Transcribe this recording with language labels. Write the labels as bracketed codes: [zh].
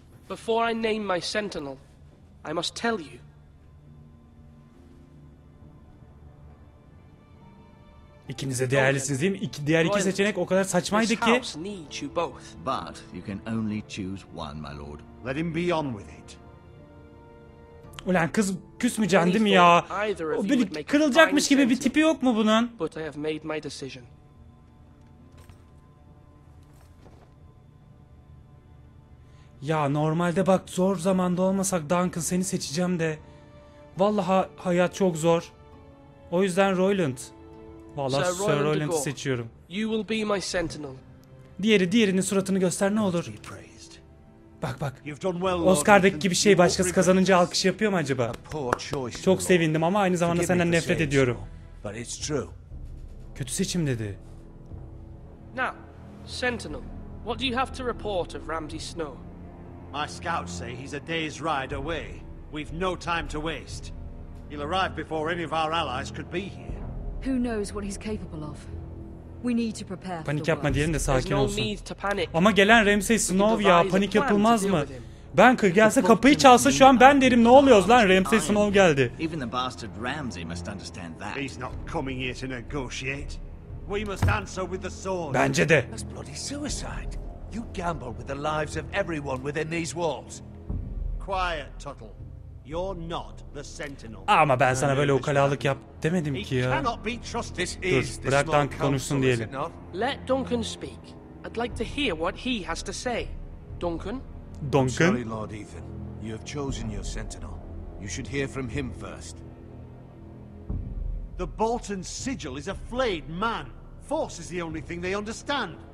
[en] Before I name my sentinel, I must tell you. [tr] İkiniz de değerlisiniz değil mi? Diğer iki seçenek o kadar saçmaydı ki. [en] This house needs you both. But you can only choose one, my lord. Let him be on with it. [tr] Ulan kız küsmeyeceksin değil mi ya? O bir kırılacakmış gibi bir tipi yok mu bunun? [en] But I have made my decision. [tr] Ya normalde bak zor zamanda olmasak Duncan seni seçeceğim de. Vallahi hayat çok zor. O yüzden Roiland. Vallahi Sir Roiland'ı seçiyorum. [en] You will be my sentinel. [tr] Diğeri diğerinin suratını göster ne olur. Bak bak. Oscar'daki gibi şey başkası kazanınca alkış yapıyor mu acaba? Çok sevindim ama aynı zamanda senden nefret ediyorum. Kötü seçim dedi. [en] Now, sentinel, what do you have to report of Ramsay Snow? My scouts say he's a day's ride away. We've no time to waste. He'll arrive before any of our allies could be here. Who knows what he's capable of? We need to prepare. [tr] Panik yapma diyelim de sakin olsun. Ama gelen Ramsay Snow ya, panik yapılmaz mı? Ben kır gelse kapıyı çalsa şu an ben derim ne oluyoruz lan, Ramsay Snow geldi. [en] Even the bastard Ramsay must understand that. He's not coming here to negotiate. We must answer with the sword. [tr] Bence de. [en] That's bloody suicide. You gamble with the lives of everyone within these walls. Quiet, Tuttle. You're not the sentinel. [tr] Ama ben sana böyle ukalalık yap demedim ki ya. Dur, bırak Duncan konuşsun diyelim. [en] Let Duncan speak. I'd like to hear what he has to say. Duncan? Duncan? Sorry, Lord Ethan. You have chosen your sentinel. You should hear from him first. The Bolton sigil is a flayed man. Force is the only thing they understand.